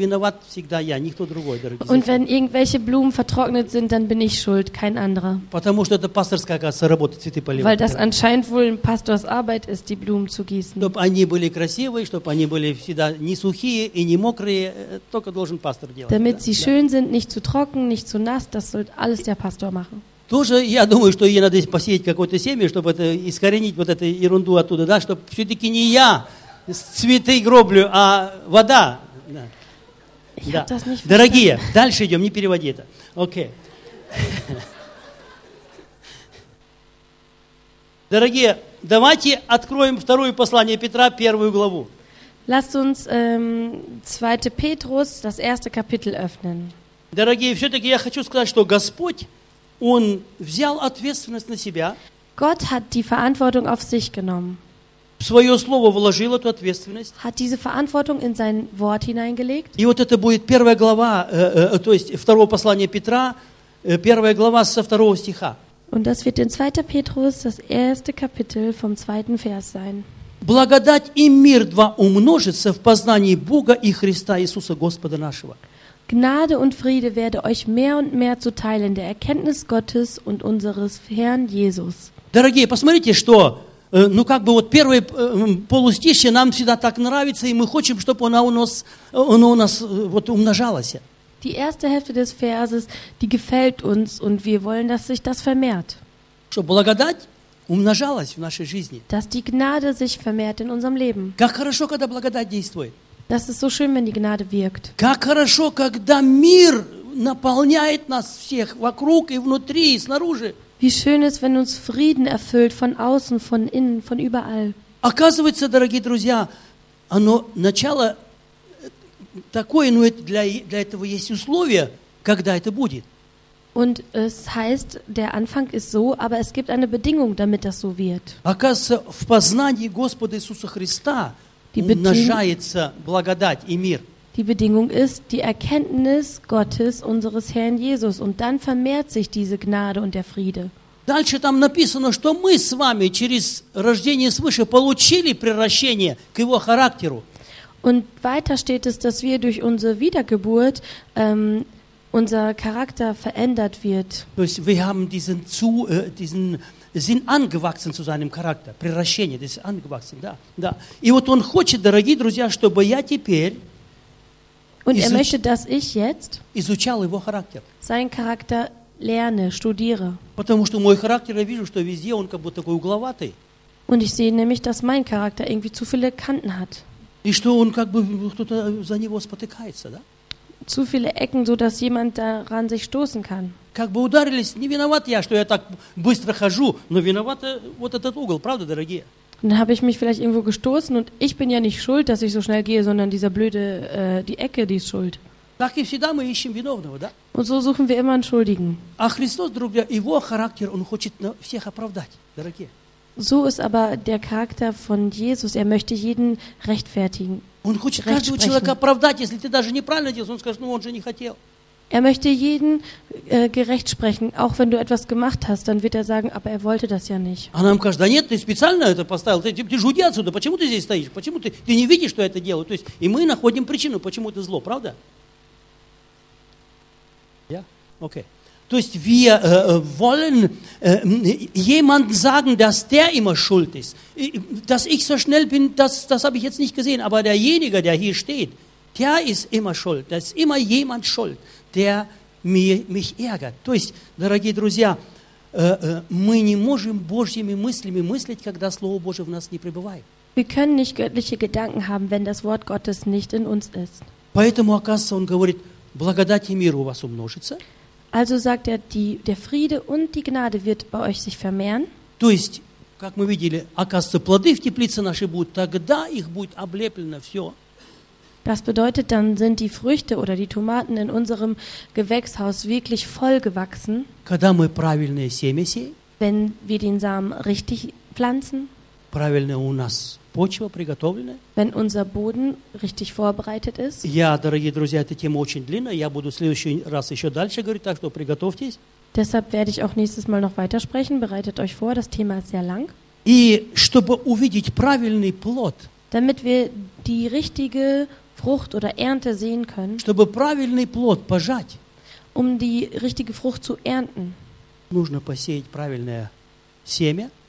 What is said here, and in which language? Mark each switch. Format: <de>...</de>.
<de>Und wenn irgendwelche Blumen vertrocknet sind, dann bin ich schuld, kein anderer. Weil das anscheinend wohl ein Pastors Arbeit ist, die Blumen zu gießen. Damit sie schön sind, nicht zu trocken, nicht zu nass, das soll alles der Pastor machen.</de> <ru>Тоже, я думаю, что ей надо посеять какое-то семя, чтобы это искоренить вот эту ерунду оттуда, да, чтобы все-таки не я с цветы гроблю, а вода. Да. Да. Дорогие,</ru> <de>verstanden.</de> <ru>Дальше идем, не переводи это. Окей.</ru> <en>Okay.</en> <ru>Дорогие, давайте откроем второе послание Петра, первую главу.</ru> <de>Lasst uns 2. Petrus, das erste Kapitel öffnen.</de> <ru>Дорогие, все-таки я хочу сказать, что Господь Он взял ответственность на себя.</ru> <de>Gott hat die Verantwortung auf sich genommen.</de> <ru>В свое слово вложил эту ответственность.</ru> <de>Hat diese Verantwortung in sein Wort hineingelegt.</de> <ru>И вот это будет первая глава, то есть второго послания Петра, первая глава со второго стиха.</ru> <de>Und das wird in 2. Petrus, das erste Kapitel vom 2. Vers sein.</de> <ru>Благодать и мир два умножится в познании Бога и Христа Иисуса Господа нашего.</ru> <de>Gnade und Friede werde euch mehr und mehr zuteil in der Erkenntnis Gottes und unseres Herrn Jesus.</de> <ru>Дорогие, посмотрите, что, ну как бы вот первое полустище нам всегда так нравится, и мы хотим, чтобы оно у нас вот умножалось.</ru> <de>Die erste Hälfte des Verses, die gefällt uns und wir wollen, dass sich das vermehrt.</de> <ru>Чтобы благодать умножалась в нашей жизни.</ru> <de>Dass die Gnade sich vermehrt in unserem Leben.</de> <ru>Как хорошо, когда благодать действует.</ru> <de>Das ist so schön, wenn die Gnade wirkt.</de> <ru>Как хорошо, когда мир наполняет нас всех вокруг и внутри, и снаружи.</ru> <de>Wie schön ist, wenn uns Frieden erfüllt von außen, von innen, von überall.</de> <ru>Оказывается, дорогие друзья, оно начало такое, но это для этого есть условия, когда это будет.</ru> <de>Und es heißt, der Anfang ist so, aber es gibt eine Bedingung, damit das so wird.</de> <ru>Оказывается, в познании Господа Иисуса Христа умножается благодать и мир.</ru> <de>Die Bedingung ist die Erkenntnis Gottes unseres Herrn Jesus und dann vermehrt sich diese Gnade und der Friede.</de> <ru>Дальше там написано, что мы с вами через рождение свыше получили приращение к его характеру.</ru> <de>Und weiter steht es, dass wir durch unsere Wiedergeburt unser Charakter verändert wird. Wir haben diesen sind angewachsen zu seinem Charakter.</de> <ru>Превращение,</ru> <de>das ist angewachsen,</de> <ru>да, да. И вот он хочет, дорогие друзья, чтобы я теперь</ru> <de>Und er möchte, dass ich jetzt</de> <ru>изучал его характер.</ru> <de>Seinen Charakter lerne, studiere.</de> <ru>Потому что мой характер, я вижу, что везде он как бы такой угловатый.</ru> <de>Und ich sehe nämlich, dass mein Charakter irgendwie zu viele Kanten hat.</de> <ru>И что он как бы кто-то за него спотыкается, да?</ru> <de>Zu viele Ecken, sodass jemand daran sich stoßen kann.</de> <ru>Как бы ударились, не виноват я, что я так быстро хожу, но виноват вот этот угол, правда, дорогие?</ru> <de>Dann habe ich mich vielleicht irgendwo gestoßen und ich bin ja nicht schuld, dass ich so schnell gehe, sondern dieser blöde, die Ecke, die ist schuld.</de> <ru>Так и всегда мы ищем виновного, да?</ru> <de>Und so suchen wir immer einen Schuldigen.</de> <ru>А Христос, друзья, его характер, он хочет всех оправдать, дорогие.</ru> <de>So ist aber der Charakter von Jesus, er möchte jeden rechtfertigen.</de> <ru>Он хочет каждого человека оправдать, если ты даже неправильно делаешь, он скажет, ну он же не хотел.</ru> <de>Er möchte jeden gerecht sprechen, auch wenn du etwas gemacht hast, dann wird er sagen, aber er wollte das ja nicht.</de> <ru>А нам кажется, да нет, ты специально это поставил, ты же уйди отсюда, почему ты здесь стоишь, почему ты не видишь, что я это делаю, то есть и мы находим причину, почему это зло, правда? Я? Yeah? Окей. Okay. То есть</ru> <de>wir wollen jemanden sagen, dass der immer schuld ist. Dass ich so schnell bin, das habe ich jetzt nicht gesehen. Aber derjenige, der hier steht, der ist immer schuld. Da ist immer jemand schuld, der mich ärgert.</de> <ru>То есть, дорогие друзья, мы не можем Божьими мыслями мыслить, когда Слово Божие в нас не пребывает.</ru> <de>Wir können nicht göttliche Gedanken haben, wenn das Wort Gottes nicht in uns ist.</de> <ru>Поэтому, оказывается, он говорит, благодать и мир у вас умножится.</ru> <de>Also sagt er, der Friede und die Gnade wird bei euch sich vermehren.</de> <ru>То есть, как мы видели, оказывается, плоды в теплице нашей будут, тогда их будет облеплено все.</ru> <de>Das bedeutet, dann sind die Früchte oder die Tomaten in unserem Gewächshaus wirklich voll gewachsen.</de> <ru>Когда мы правильное семя сеем,</ru> <de>wenn wir den Samen richtig pflanzen,</de> <ru>правильная у нас почва приготовлена,</ru> <de>wenn unser Boden richtig vorbereitet ist.</de> <ru>Я, дорогие друзья, эта тема очень длинная, я буду в следующий раз еще дальше говорить, так что приготовьтесь.</ru> <de>Deshalb werde ich auch nächstes Mal noch weitersprechen, bereitet euch vor, das Thema ist sehr lang.</de> <ru>И чтобы увидеть правильный плод,</ru> <de>damit wir die richtige Frucht oder Ernte sehen können,</de> <ru>чтобы правильный плод пожать,</ru> <de>um die richtige Frucht zu ernten,</de> <ru>нужно посеять правильное семя,</ru>